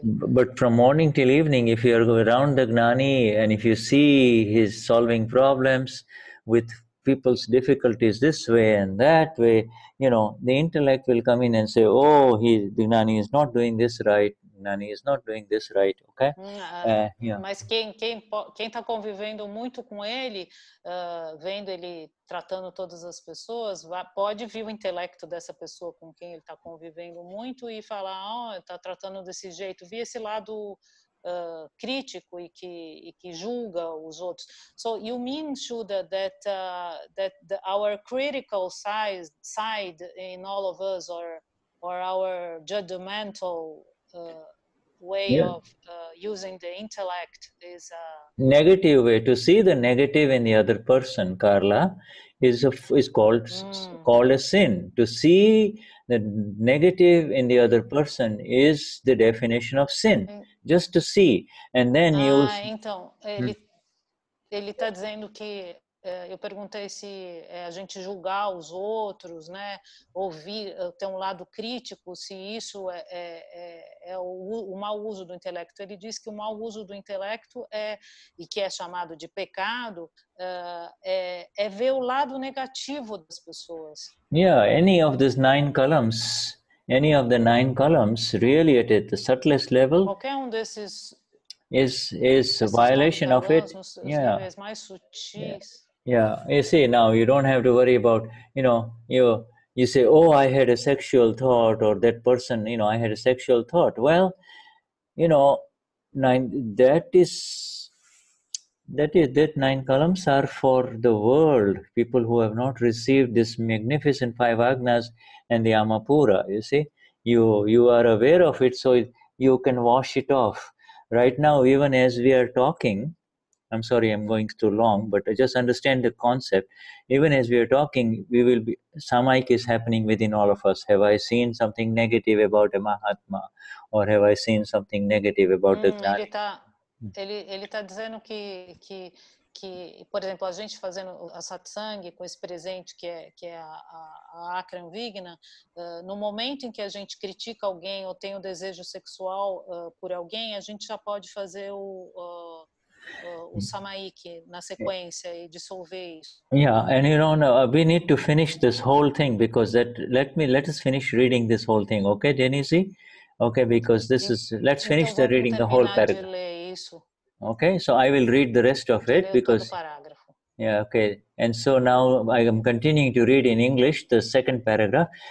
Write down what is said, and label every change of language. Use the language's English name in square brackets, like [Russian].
[English] But from morning till evening, if you are around the Gnani and if you see he's solving problems with people's difficulties this way and that way, you know, the intellect will come in and say, oh, the Gnani is not doing this right. Gnani is not doing this right, okay? [Portuguese] Mas quem está convivendo muito com ele, vendo ele tratando todas as pessoas, pode vir o intelecto dessa pessoa com quem ele está convivendo muito e falar, ó, oh, está tratando desse jeito. Vi esse lado crítico e que julga os outros. [English] So you mean, Shuda, that our critical side in all of us or our judgmental way of using the intellect is a negative way to see the negative in the other person, Carla, is called a sin. To see the negative in the other person is the definition of sin. Just to see, and then [Portuguese] ele está dizendo que eu perguntei se a gente julgar os outros, né? Ouvir, ter um lado crítico, se isso é o mau uso do intelecto. Ele diz que o mau uso do intelecto é chamado de pecado, é ver o lado negativo das pessoas. [English] Yeah, any of the nine columns, really at the subtlest level. [Portuguese] Qualquer um desses. [English] Is a violation of it. [Portuguese] Nos níveis mais sutis. [English] Yeah. Yeah, you see, now you don't have to worry about, you know, you say, oh, I had a sexual thought, or that person, you know, I had a sexual thought. Well, you know, that nine columns are for the world, people who have not received this magnificent five agnas and the Amapura, you see. You are aware of it, so you can wash it off. Right now, even as we are talking, I'm sorry, I'm going too long, but I just understand the concept. Even as we are talking, we will be, samaik is happening within all of us. Have I seen something negative about a Mahatma? Or have I seen something negative about the Gnani? Ele tá dizendo que, por exemplo, a gente fazendo a satsang com esse presente que é a Akram Vigna, no momento em que a gente critica alguém ou tem um desejo sexual por alguém, a gente já pode fazer o samaik na sequência e dissolver isso. Yeah, and you know, we need to finish this whole thing because let us finish reading this whole thing, okay, Denise? Okay, because this is, let's finish [Portuguese] então, [English] the reading the whole paragraph. Okay, so I will read the rest of it because, yeah, okay. And so now I am continuing to read in English the second paragraph.